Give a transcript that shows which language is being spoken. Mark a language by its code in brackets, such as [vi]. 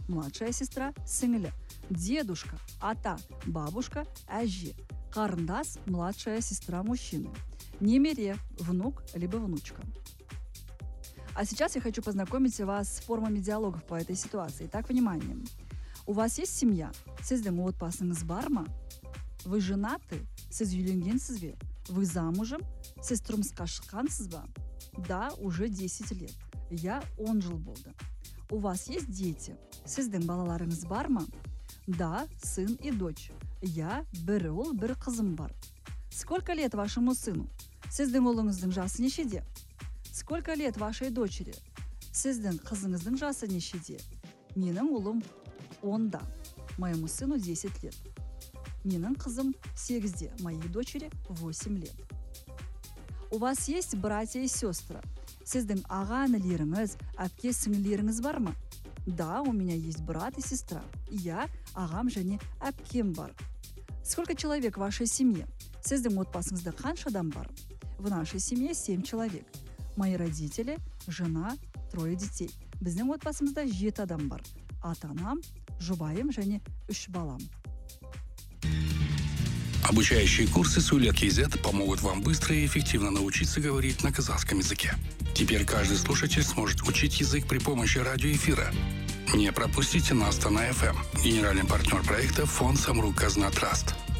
[ru] Младшая сестра – сіңілі. Дедушка – ата. Бабушка – әжі. Қарындас – младшая сестра мужчины. Немере – внук либо внучка. А сейчас я хочу познакомить вас с формами диалогов по этой ситуации. Итак, внимание. У вас есть семья? [kk] Сіздің отбасыңыз бар ма? [ru] Вы женаты? [kk] Сіз үйленгенсіз бе? [ru] Вы замужем? [kk] Сіз тұрмысқа шыққансыз ба? [ru] Да, уже 10 лет. [kk] Я 10 жыл болды. [ru] У вас есть дети? [kk] Сіздің балаларыңыз бар ма? [ru] Да, сын и дочь. [kk] Я бір ұл, бір қызым бар. [ru] Сколько лет вашему сыну? [kk] Сіздің ұлыңыздың жасы нешеде? [ru] Сколько лет вашей дочери? [kk] Сіздің қызыңыздың жасы нешеде? Менің ұлым 10-да. [ru] Моему сыну 10 лет. [kk] Менің қызым 8-де. [ru] Моей дочери 8 лет. У вас есть братья и сестры? [kk] Сіздің аға інілеріңіз, әпке сіңілеріңіз бар ма? [ru] Да, у меня есть брат и сестра. [kk] Я ағам және әпкем бар. [ru] Сколько человек в вашей семье? [kk] Сіздің отбасыңызда қанша адам бар? [ru] В нашей семье 7 человек. Мои родители, жена, трое детей. [kk] Біздің отбасымызда 7 адам бар. Ата-анам, жұбайым және 3 балам. [ru] Обучающие курсы «Сулья.кз» помогут вам быстро и эффективно научиться говорить на казахском языке. Теперь каждый слушатель сможет учить язык при помощи радиоэфира. Не пропустите нас на FM. Генеральный партнер проекта – фонд «Самрук Казна Траст».